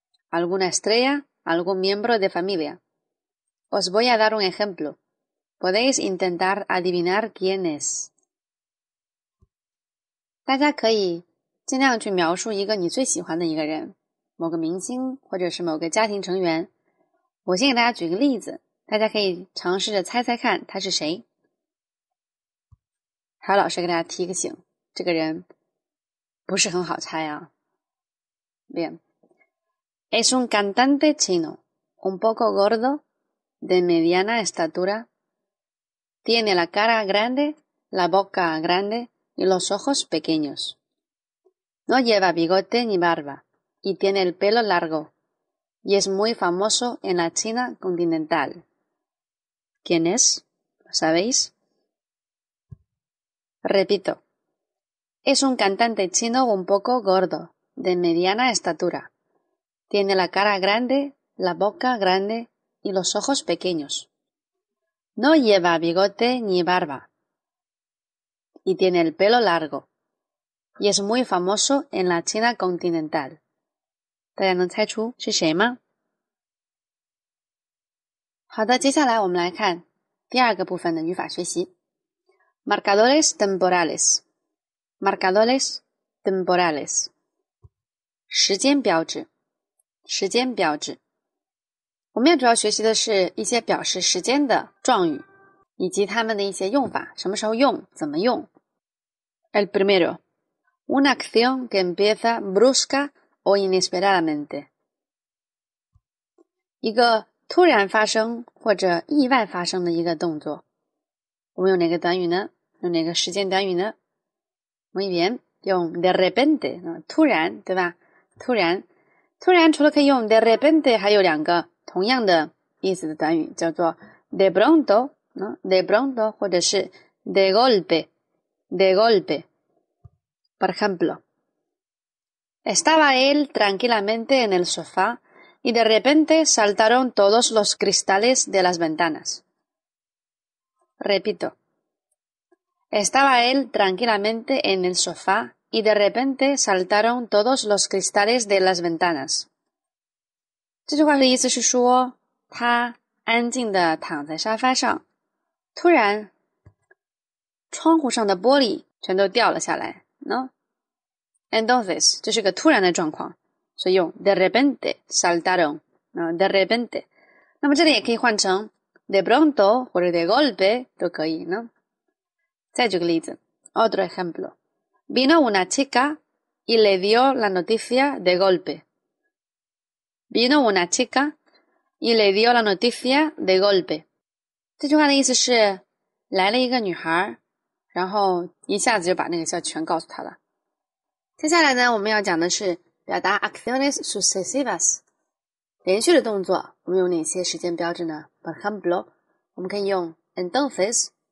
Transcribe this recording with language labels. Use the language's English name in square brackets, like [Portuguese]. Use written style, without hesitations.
[Spanish] Alguna estrella, algún miembro de familia. Os voy a dar un ejemplo. Podéis intentar adivinar quién es. [Chinese] 大家可以尽量去描述一个你最喜欢的一个人，某个明星或者是某个家庭成员。我先给大家举个例子，大家可以尝试着猜猜看他是谁。还有老师给大家提个醒，这个人不是很好猜啊。 [Spanish] Bien. Es un cantante chino, un poco gordo, de mediana estatura. Tiene la cara grande, la boca grande y los ojos pequeños. No lleva bigote ni barba y tiene el pelo largo y es muy famoso en la China continental. ¿Quién es? ¿Lo sabéis? Repito. Es un cantante chino un poco gordo, de mediana estatura. Tiene la cara grande, la boca grande y los ojos pequeños. No lleva bigote ni barba y tiene el pelo largo. y es muy famoso en la China continental。 [Chinese] 大家能猜出是谁吗？好的，接下来我们来看第二个部分的语法学习。 [Spanish] Marcadores temporales, marcadores temporales, [Chinese] 时间标志，时间标志。我们要主要学习的是一些表示时间的状语，以及它们的一些用法，什么时候用，怎么用。 [Spanish] El primero, una acción que empieza brusca o inesperadamente. [Chinese] 一个突然发生或者意外发生的一个动作，我们用哪个短语呢？用哪个时间短语呢？我们一边用 [Spanish] de repente, [Chinese] 突然，对吧？突然，突然除了可以用 [Spanish] de repente, [Chinese] 还有两个同样的意思的短语，叫做 [Spanish] de pronto, de pronto, [Chinese] 或者是 [Spanish] de golpe, de golpe. Por ejemplo, Estaba él tranquilamente en el sofá y de repente saltaron todos los cristales de las ventanas. Repito. Estaba él tranquilamente en el sofá y de repente saltaron todos los cristales de las ventanas. [Chinese] 这句话的意思是说，他安静地躺在沙发上，突然，窗户上的玻璃全都掉了下来。 [Spanish] No? Entonces, [Chinese] 这是个突然的状况，所以用 [Spanish] de repente saltaron, de repente。 [Chinese] 那么这里也可以换成 [Spanish] de pronto [Chinese] 或者 [Spanish] de golpe [Chinese] 都可以呢。 [Spanish] No? [Chinese] 再举个例子， [Spanish] otro ejemplo. Vino una chica y le dio la noticia de golpe. Vino una chica y le dio la noticia de golpe. [Chinese] 这句话的意思是，来了一个女孩，然后一下子就把那个消息全告诉她了。接下来呢，我们要讲的是表达 [Spanish] acciones sucesivas， [Chinese] 连续的动作，我们有哪些时间标志呢？ [Spanish] Por ejemplo， [Chinese] 我们可以用 [Spanish] entonces。